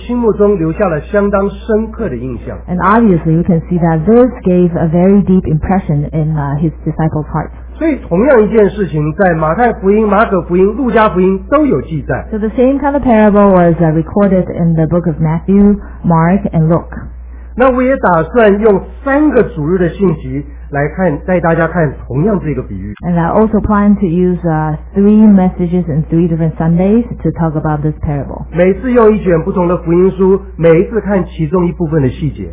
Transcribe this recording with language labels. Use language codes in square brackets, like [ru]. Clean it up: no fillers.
[zh] 这个比喻很显然在门徒的心目中留下了相当深刻的印象。 [en] And obviously you can see that this gave a very deep impression in his disciples' hearts. [zh] 所以同样一件事情在马太福音、马可福音、路加福音都有记载。 [en] So the same kind of parable was recorded in the book of Matthew, Mark, and Luke. [zh] 那我也打算用三个主日的信息来带大家看同样这个比喻。 [en] And I also plan to use three messages in three different Sundays to talk about this parable. [zh] 每次用一卷不同的福音书，每一次看其中一部分的细节。